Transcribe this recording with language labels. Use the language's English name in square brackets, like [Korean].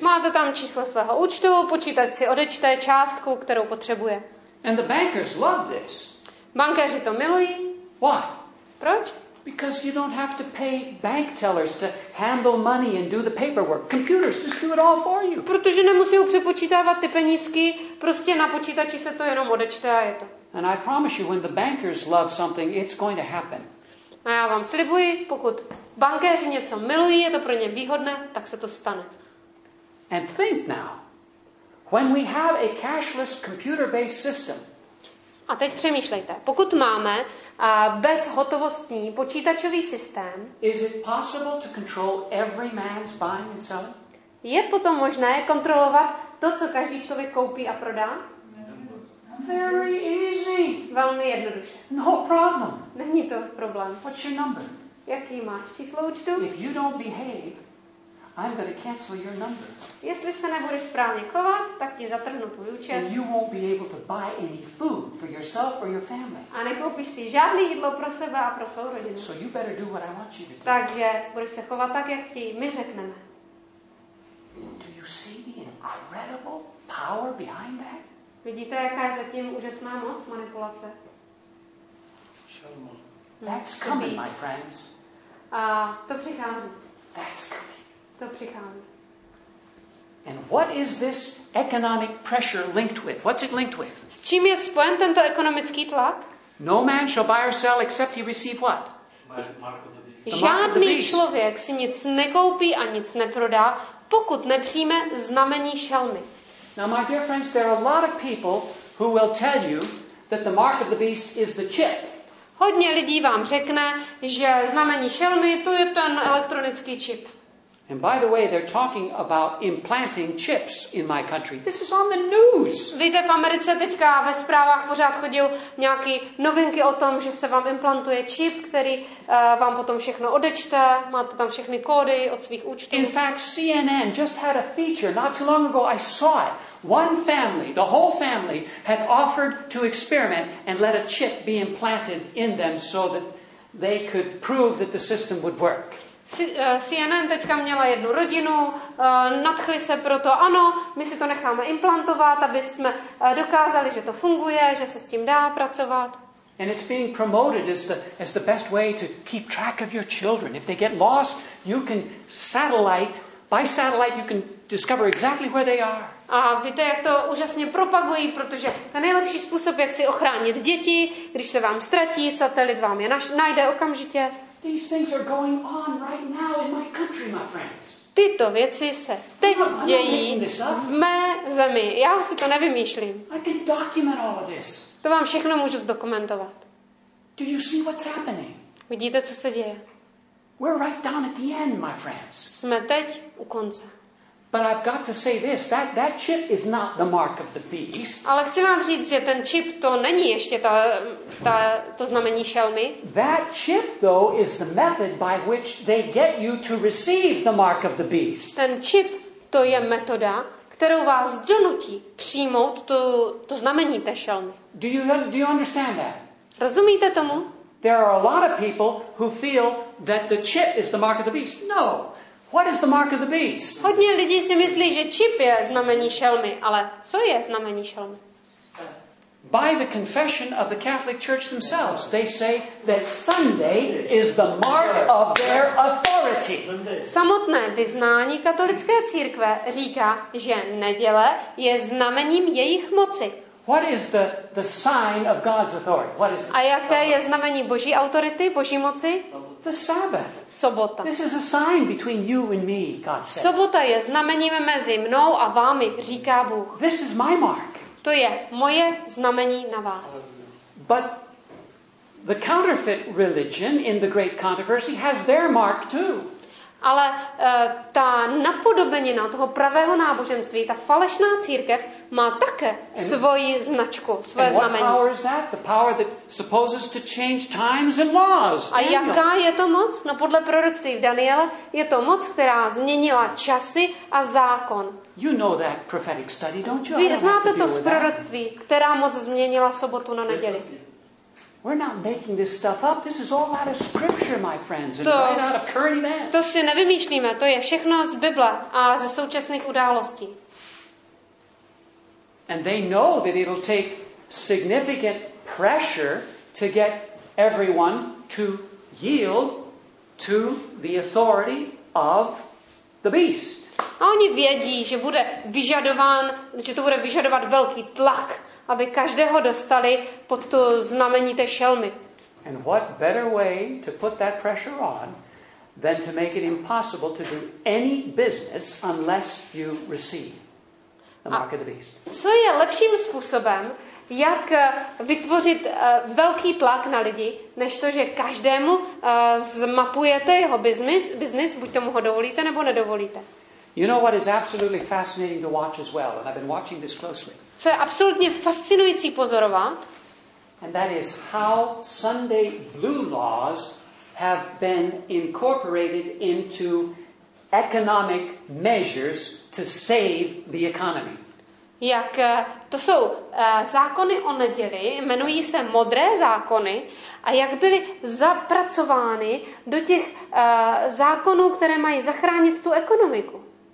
[Czech] Máte tam číslo svého účtu, počítač si odečte částku, kterou potřebuje. [English] And the bankers love this. [Czech] Bankéři to milují. [English] Why? [Czech] Proč? [English] Because you don't have to pay bank tellers to handle money and do the paperwork. Computers just do it all for you. [Czech] Protože nemusí přepočítávat ty penízky, prostě na počítači se to jenom odečte a je to. [English] And I promise you, when the bankers love something, it's going to happen. [Czech] A já vám slibuji, pokud bankéři něco milují, je to pro ně výhodné, tak se to stane. [English] And think now, when we have a cashless computer-based system. [Czech] A teď přemýšlejte, pokud máme bezhotovostní počítačový systém, [English] is it possible to control every man's buying and selling? [Czech] Je potom možné kontrolovat to, co každý člověk koupí a prodá? [English] Very easy. [Czech] Velmi jednoduše. [English] No problem. [Czech] Není to problém. [English] What's your number? [Czech] Jaký máš číslo účtu? [English] If you don't behave, I'm going to cancel your number. [Czech] Jestli se nebudeš správně chovat, tak ti zatrhnu tvůj účet. [English] And you won't be able to buy any food for yourself or your family. [Czech] A nekoupíš si žádný jídlo pro sebe a pro svou rodinu. [English] So you better do what I want you to do. [Czech] Takže budeš se chovat tak, jak ti my řekneme. [English] Do you see the incredible power behind that? [Czech] Vidíte, jaká je zatím úžasná moc manipulace? [English] That's coming, my friends. [Czech] A to přichází. [English] That's coming. [Czech] To přichází. [English] And what is this economic pressure linked with? What's it linked with? [Czech] S čím je spojen tento ekonomický tlak? [English] No man shall buy or sell except he receive what? [Czech] Žádný člověk si nic nekoupí a nic neprodá, pokud nepřijme znamení šelmy. [English] Now, my dear friends, there are a lot of people who will tell you that the mark of the beast is the chip. [Czech] Hodně lidí vám řekne, že znamení šelmy to je ten elektronický čip. [English] And by the way, they're talking about implanting chips in my country. This is on the news. [Czech] Víte, v Americe teďka ve zprávách pořád chodil nějaký novinky o tom, že se vám implantuje čip, který vám potom všechno odečte, máte tam všechny kódy od svých účtů. [English] In fact, CNN just had a feature not too long ago. I saw it. One family, the whole family, had offered to experiment and let a chip be implanted in them so that they could prove that the system would work. [Czech] CNN teďka měla jednu rodinu, nadchli se proto, ano, my si to necháme implantovat, aby jsme dokázali, že to funguje, že se s tím dá pracovat. [English] And it's being promoted as the best way to keep track of your children. If they get lost, you can satellite, by satellite you can discover exactly where they are. [Czech] A víte, jak to úžasně propagují, protože to je nejlepší způsob, jak si ochránit děti, když se vám ztratí, satelit vám je najde okamžitě. [English] These things are going on right now in my country, my friends. [Czech] Tyto věci se teď dějí v mé zemi. Já si to nevymýšlím. [English] I can document all of this. [Czech] To vám všechno můžu zdokumentovat. [English] Do you see what's happening? [Czech] Vidíte, co se děje? [English] We're right down at the end, my friends. [Czech] Jsme teď u konce. [English] But I've got to say this, that chip is not the mark of the beast. [Czech] Ale chci vám říct, že ten chip to není ještě to znamení šelmy. [English] That chip though is the method by which they get you to receive the mark of the beast. [Czech] Ten chip to je metoda, kterou vás donutí přijmout to znamení té šelmy. [English] Do you understand that? [Czech] Rozumíte tomu? [English] There are a lot of people who feel that the chip is the mark of the beast. No. What is the mark of the beast? [Czech] Hodně lidí si myslí, že čip je znamení šelmy, ale co je znamení šelmy? [English] By the confession of the Catholic Church themselves, they say that Sunday is the mark of their authority. [Czech] Samotné vyznání katolické církve říká, že neděle je znamením jejich moci. [English] What is the sign of God's authority? What is it? [Czech] A jaké je znamení Boží autority, Boží moci? [English] The Sabbath. [Czech] Sobota. [English] This is a sign between you and me, God says. [Czech] Sobota je znamením mezi mnou a vámi, říká Bůh. [English] This is my mark. [Czech] To je moje znamení na vás. [English] But the counterfeit religion in the great controversy has their mark too. [Czech] Ale ta napodobenina toho pravého náboženství, ta falešná církev, má také svoji značku, svoje znamení. [English] And what power is that? The power that supposes to change times and laws. [Czech] A jaká je to moc? No podle proroctví Daniela je to moc, která změnila časy a zákon. [English] You know that prophetic study, don't you? [Czech] Vy znáte to z proroctví, která moc změnila sobotu na neděli. [English] We're not making this stuff up. This is all out of scripture, my friends. It's right out of current events. [Czech] To si nevymýšlíme, to je všechno z Bible a ze současných událostí. [English] And they know that it'll take significant pressure to get everyone to yield to the authority of the beast. [Czech] A oni vědí, že bude vyžadován, že to bude vyžadovat velký tlak, aby každého dostali pod to znamení té šelmy. [English] And what better way to put that pressure on than to make it impossible to do any business unless you receive the mark of the beast. [Czech] Co je lepším způsobem, jak vytvořit velký tlak na lidi, než to, že každému zmapujete jeho biznis, buď tomu ho dovolíte nebo nedovolíte. [English] You know what is absolutely fascinating to watch as well, and I've been watching this closely. [Czech] Co je absolutně fascinující pozorovat? [English] And that is how Sunday blue laws have been incorporated into economic measures to save the economy. [Czech] Jak to jsou zákony o neděli, jmenují se modré zákony, a jak byly zapracovány do těch zákonů, které mají zachránit tu ekonomiku.